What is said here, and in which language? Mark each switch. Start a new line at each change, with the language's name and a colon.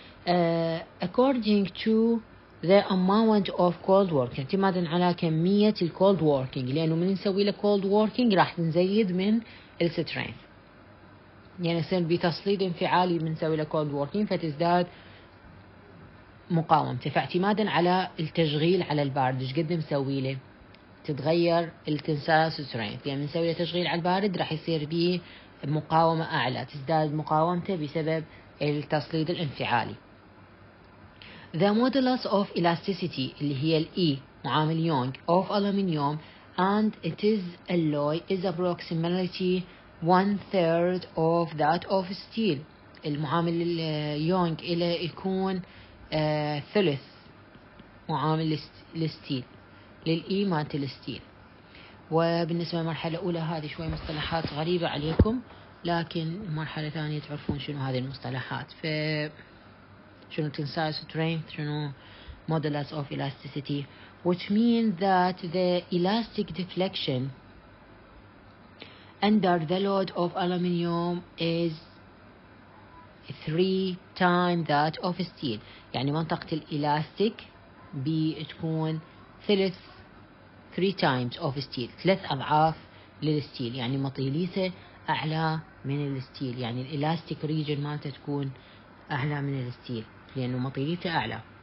English: According to the amount of cold working,
Arabic: اعتمادا على كمية الكولد working, لأنه من نسوي له كولد working راح نزيد من السترينث, يعني يصير بتصليد انفعالي من سوي له cold working فتزداد مقاومته. فاعتمادا على التشغيل على البارد ايش قد مسوي له تتغير التنسايل سترينث, يعني من سوي له تشغيل على البارد راح يصير به مقاومة اعلى, تزداد مقاومته بسبب التصليد الانفعالي.
English: The modulus of elasticity
Arabic: اللي هي الE معامل يونغ
English: of aluminium and it is alloy is approximately 1/3 of that of steel.
Arabic: المعامل اليونغ إلى يكون ثلث معامل الستيل للإيمة الستيل. وبالنسبة للمرحلة الأولى هذه شوي مصطلحات غريبة عليكم, لكن مرحلة ثانية تعرفون شنو هذه المصطلحات. شنو
English: tensile strength, شنو modulus of elasticity, which means that the elastic deflection under the load of aluminium is 3 times that of steel.
Arabic: يعني منطقة الإلاستيك بتكون ثلث
English: 3 times of steel,
Arabic: ثلاث أضعاف للستيل, يعني مطيليته أعلى من الستيل, يعني الإلاستيك ريجن مالته تكون أعلى من الستيل لأنه مطيليته أعلى.